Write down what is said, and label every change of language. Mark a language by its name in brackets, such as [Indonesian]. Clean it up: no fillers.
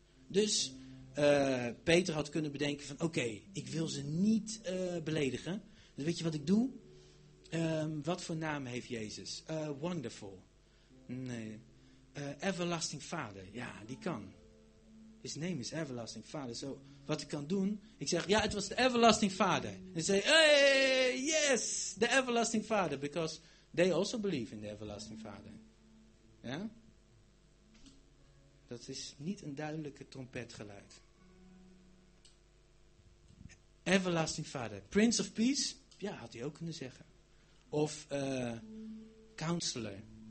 [Dutch] Dus Peter had kunnen bedenken van, oké, ik wil ze niet beledigen. Dus weet je wat ik doe? Wat voor naam heeft Jezus? Wonderful. Nee. Everlasting Father. Ja, die kan. [English] His name is Everlasting Father. [Dutch] So, wat ik kan doen, ik zeg, ja, het was de Everlasting Father. En zei, [English] hey, yes, the Everlasting Father. Because they also believe in the Everlasting Father. [Dutch] Ja? Dat is niet een duidelijke trompetgeluid. Everlasting Father. Prince of Peace. Ja, had hij ook kunnen zeggen. Of Counselor.